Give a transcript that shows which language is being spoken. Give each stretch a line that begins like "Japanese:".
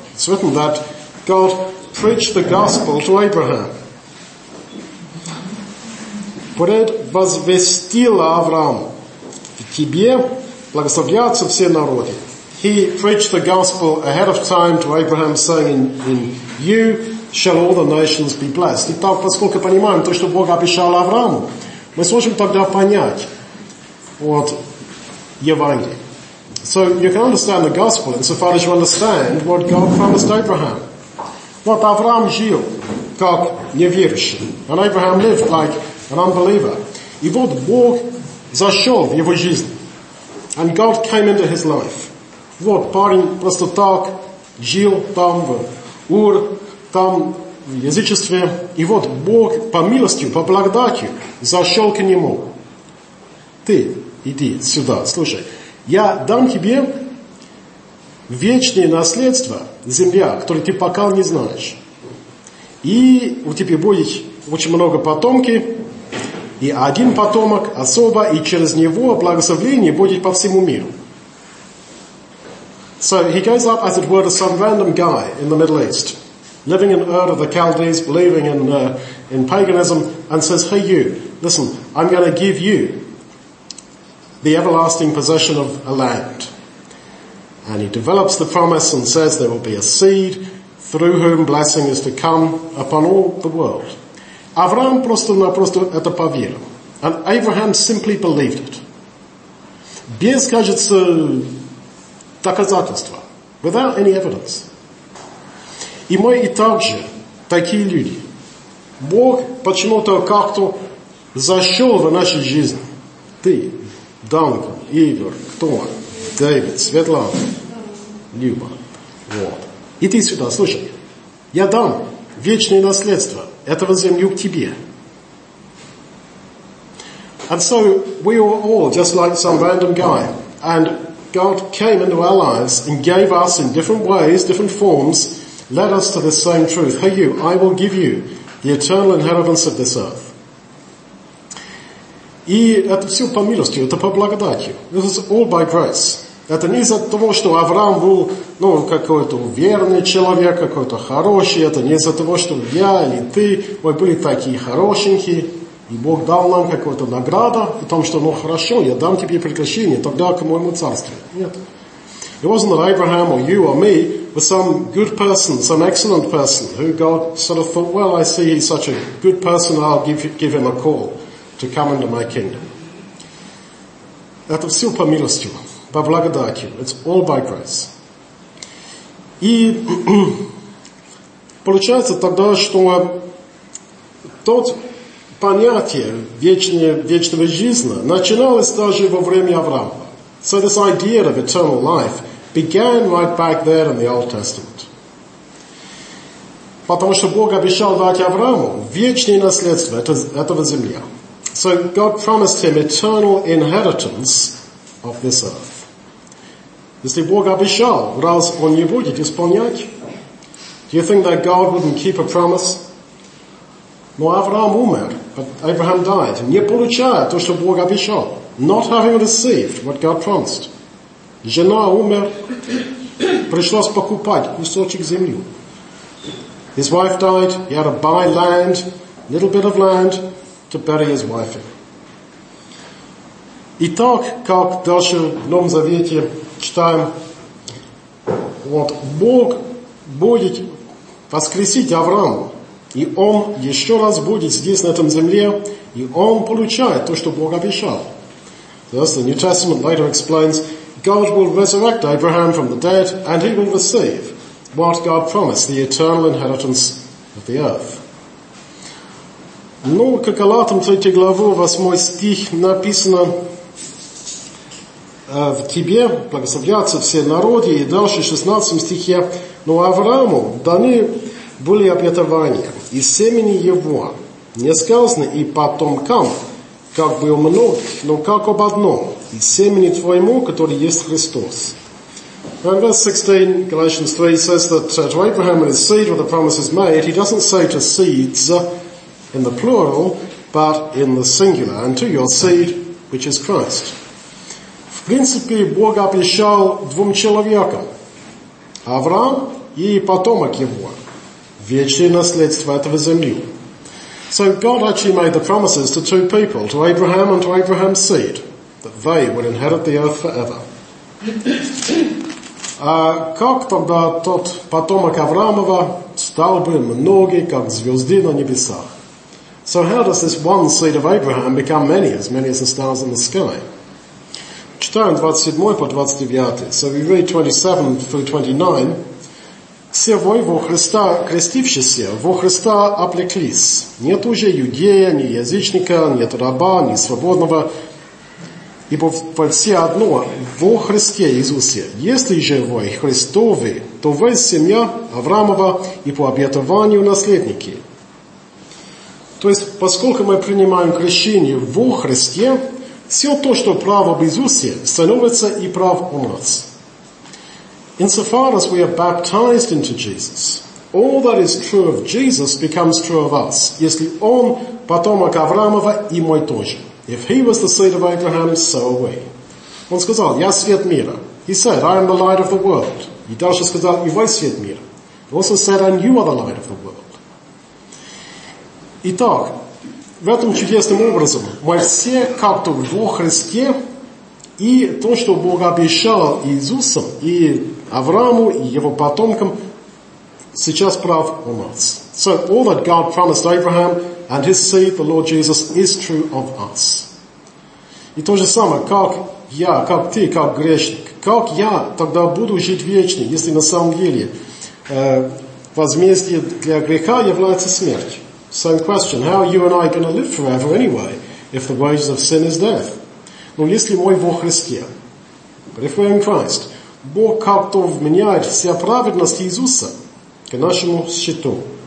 English: It's written that God preached the gospel to Abraham.
Russian: Предвозвестил Аврааму. В тебе благословятся все народы.
English: He preached the gospel ahead of time to Abraham, saying, in you shall all the nations be blessed.
Russian: Итак, поскольку понимаем то, что Бог обещал Аврааму, мы сможем тогда понять, Евангелие.
English: So you can understand the gospel insofar as you understand what God promised Abraham.
Russian: Вот Авраам жил как неверующий,
English: and Abraham lived like an unbeliever.
Russian: И вот Бог зашел в его жизнь,
English: and God came into his life.
Russian: Вот парень просто так жил там в Ур, там в язычестве, и вот Бог по милости, по благодати зашел к нему. Ты иди сюда, слушай. Я дам тебе вечное наследство, земля, которую ты пока не знаешь. И у тебя будет очень много потомки, и один потомок особо, и через него благословение будет по всему миру.
English: So he goes up, as it were, to some random guy in the Middle East, living in Ur of the Chaldees, believing in paganism, and says, hey you, listen, I'm going to give you the everlasting possession of a land. And he develops the promise and says there will be a seed through whom blessing is to come upon all the world.
Russian: Авраам просто-напросто это поверил.
English: And Abraham simply believed it.
Russian: Без, кажется, доказательства.
English: Without any evidence.
Russian: И мы и также такие люди. Бог почему-то как-то зашел в нашу жизнь. Ты, Данка, Игорь, кто? Дэвид, Светлана, Люба. Вот. Иди сюда, слушай. Я дам вечное наследство этого землю к тебе.
English: And so we were all just like some random guy. And God came into our lives and gave us in different ways, different forms, led us to the same truth. Hey you, I will give you the eternal inheritance of this earth.
Russian: И это все по милости, это по благодати.
English: This is all by grace.
Russian: Это не из-за того, что Авраам был, ну, какой-то верный человек, какой-то хороший. Это не из-за того, что я или ты, мы были такие хорошенькие. И Бог дал нам какую-то награду в том, что, ну, хорошо, я дам тебе приключение, тогда к моему царству. Нет.
English: It wasn't that Abraham or you or me was some good person, some excellent person, who God sort of thought, well, I see he's such a good person, I'll give him a call to come into my kingdom.
Russian: Это все по милости, по благодати.
English: It's all by grace.
Russian: И получается тогда, что тот понятие вечного жизни начиналось даже во время Авраама.
English: So this idea of eternal life began right back there in the Old Testament.
Russian: Потому что Бог обещал дать Аврааму вечное наследство этого земля.
English: So God promised him eternal inheritance of this earth.
Russian: Если Бог обещал, раз он не будет исполнять,
English: do you think that God wouldn't keep a promise?
Russian: Но Авраам умер,
English: but Abraham died,
Russian: не получая то, что Бог обещал,
English: not having received what God promised.
Russian: Жена умер, пришлось покупать кусочек земли.
English: His wife died, he had to buy land, little bit of land, to bury his wife in.
Russian: И так, как дальше в Новом Завете читаем, вот Бог будет воскресить Авраама. И он еще раз будет здесь, на этом земле, и он получает то, что Бог обещал.
English: Thus the New Testament later explains, God will resurrect Abraham from the dead, and he will receive what God promised, the eternal inheritance of the earth.
Russian: Ну, как Галатам 3 главу, 8 стих написано, в тебе благословятся все народы, и дальше в 16 стихе, но Аврааму даны были обетования, и семени его не сказаны и потомкам, как бы у многих, но как об одном, и семени твоему, который есть Христос.
English: And verse 16, Galatians 3, says that to Abraham and his seed, where the promise is made, he doesn't say to seeds in the plural, but in the singular, and to your seed, which is Christ.
Russian: В принципе, Бог обещал двум человекам, Авраам и потомок его, вечное наследство этого земли.
English: So God actually made the promises to two people, to Abraham and to Abraham's seed, that they would inherit the earth forever.
Russian: Как тогда тот потомок Авраамова стал бы многие, как звезды на небесах?
English: So how does this one seed of Abraham become many as the stars in the sky?
Russian: Читаем 27 по 29.
English: So we read 27 through 29.
Russian: Все вы во Христа крестившиеся, во Христа облеклись. Нет уже иудея, ни язычника, нет раба, ни свободного, ибо во все одно во Христе Иисусе. Если же вы Христовы, то вы семья Авраамова и по обетованию наследники. То есть, поскольку мы принимаем крещение во Христе, все то, что право в Иисусе, становится и прав у нас.
English: Insofar as we are baptized into Jesus, all that is true of Jesus becomes true of us.
Russian: Если он потомок Авраамова, и мой тоже.
English: If he was the seed of Abraham, so are we.
Russian: Он сказал, я свет мира.
English: He said, I am the light of the world.
Russian: И дальше сказал, и вы свет мира.
English: He also said, and you are the light of the world.
Russian: Итак, в этом чудесным образом мы все как-то во Христе, и то, что Бог обещал Иисусу, и Аврааму, и его потомкам, сейчас прав у нас.
English: So all that God promised Abraham and his seed, the Lord Jesus, is true of us.
Russian: И то же самое, как я, как ты, как грешник, как я тогда буду жить вечно, если на самом деле возмездие для греха является смерть.
English: Same question, how are you and I going to live forever anyway, if the wages of sin is death?
Russian: Но если мы во Христе,
English: but if we're in Christ,
Russian: Бог как-то вменяет вся праведность Иисуса к нашему счету.